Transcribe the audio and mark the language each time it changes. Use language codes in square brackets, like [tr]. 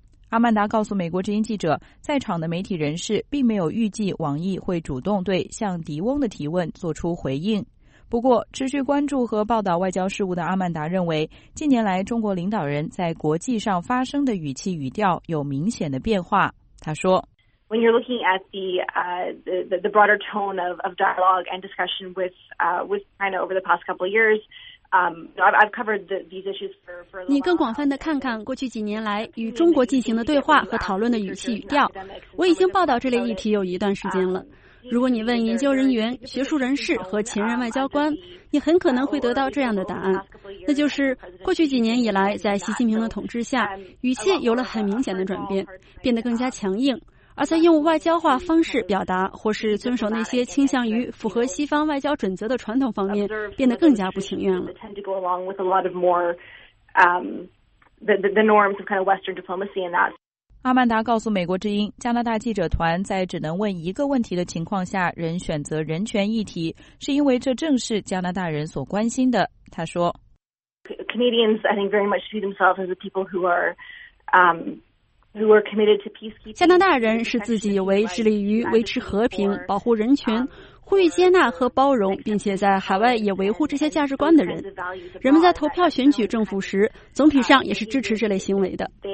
[zh] 阿曼达告诉美国之音记者，在场的媒体人士并没有预计王毅会主动对像迪翁的提问做出回应。不过，持续关注和报道外交事务的阿曼达认为，近年来中国领导人在国际上发声的语气语调有明显的变化。他说 [en] When you're looking at the broader tone of dialogue and discussion with China over the past couple of years, I've covered these issues for. [zh] 你更广泛的看看过去几年来与中国进行的对话和讨论的语气语调，我已经报道这类议题有一段时间了。如果你问研究人员、学术人士和前任外交官，你很可能会得到这样的答案，那就是过去几年以来，在习近平的统治下，语气有了很明显的转变，变得更加强硬。而在用外交化方式表达或是遵守那些倾向于符合西方外交准则的传统方面变得更加不情愿了。阿曼达告诉美国之音，加拿大记者团在只能问一个问题的情况下仍选择人权议题，是因为这正是加拿大人所关心的。他说 [en] Canadians I think very much see themselves as the people who are committed to peacekeeping. [zh] 加拿大人视自己为致力于维持和平、保护人权、呼吁接纳和包容，并且在海外也维护这些价值观的人。人们在投票选举政府时，总体上也是支持这类行为的。